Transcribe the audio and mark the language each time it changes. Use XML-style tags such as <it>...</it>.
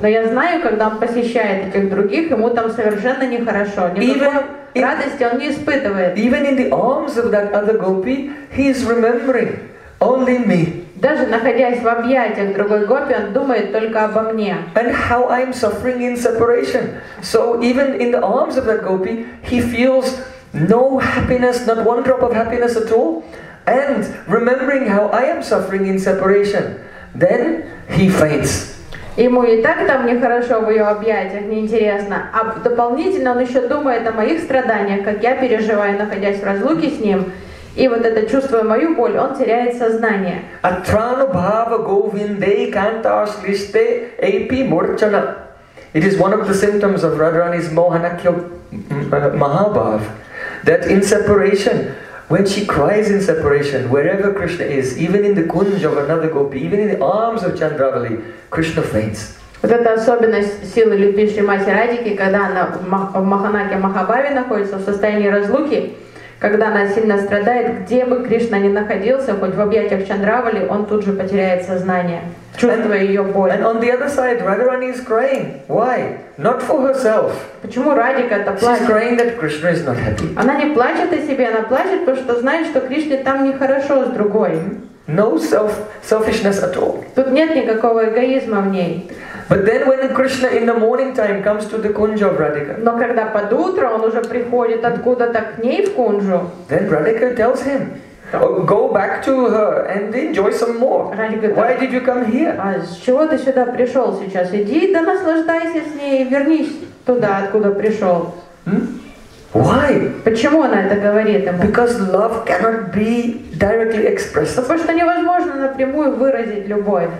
<ru>Но я знаю, когда он посещает этих других, ему там совершенно нехорошо. Радости он не испытывает.</ru> <en>Even in the arms of that other gopi, he is remembering only me.</en> <ru>Даже находясь в объятиях другой гопи, он думает только обо мне.</ru> <en>And how I'm suffering in separation. So even in the arms of that gopi, he feels no happiness, not one drop of happiness at all. And remembering how I am suffering in separation, then he faints.</en> <ru>Ему и так там нехорошо в ее объятиях, неинтересно. А дополнительно он еще думает о моих страданиях, как я переживаю, находясь в разлуке с ним. И вот это, чувствуя мою боль, он теряет сознание.</ru> <sa>Атрану бхава говиндей канта ашлиште эйпи морчана.</sa> <en>It is one of the symptoms of Radharani's Mohanakya Mahabhav, that in separation, when she cries in separation, wherever Krishna is, even in the kunj of another gopi, even in the arms of Chandravali, Krishna faints.</en> <ru>Вот это особенность силы любви Шримати Радики, когда она в Маханаке Махабаве находится в состоянии разлуки, Когда она сильно страдает, где бы Кришна ни находился, хоть в объятиях Чандравали, он тут же потеряет сознание, чувствуя ее боль.</ru> <en>And on the other side, Radharani is crying. Why? Not for herself.</en> <ru>Почему Радика-то плачет?</ru> <en>She's crying that Krishna is not happy.</en> <ru>Она не плачет о себе, она плачет, потому что знает, что Кришне там нехорошо с другой.</ru> <en>No selfishness at all.</en> <ru>Тут нет никакого эгоизма в ней.</ru> <en>But then when Krishna in the morning time comes to the kunja of Radhika.</en> <ru>Но когда под утро он уже приходит откуда-то к ней в кунжу.</ru> <en>Then Radhika tells him, go back to her and enjoy some more.</en> <ru>Радика,</ru> <en>why did you come here?</en> <ru>А с чего ты сюда пришел сейчас? Иди, да наслаждайся с ней, вернись туда, откуда пришел.</ru> <en>Why?</en> <ru>Почему она это говорит ему?</ru> <en>Because love cannot be directly expressed.</en> <ru>Потому что невозможно напрямую выразить любовь.</ru>